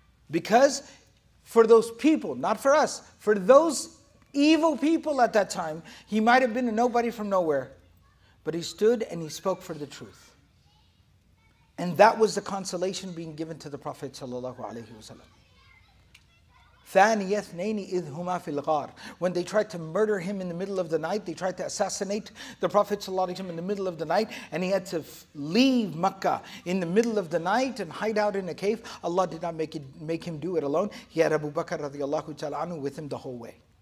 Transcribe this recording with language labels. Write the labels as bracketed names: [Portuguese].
[English] Because for those people, not for us, for those evil people at that time, he might have been a nobody from nowhere, but he stood and he spoke for the truth. And that was the consolation being given to the Prophet sallallahu alaihi wasallam. [Arabic] ثانيه اثنين اذ هما في الغار. [English] When they tried to murder him in the middle of the night, they tried to assassinate the Prophet sallallahu alaihi wasallam in the middle of the night, and he had to leave Mecca in the middle of the night and hide out in a cave. Allah did not make him do it alone. He had Abu Bakr radiallahu ta'ala anhu with him the whole way.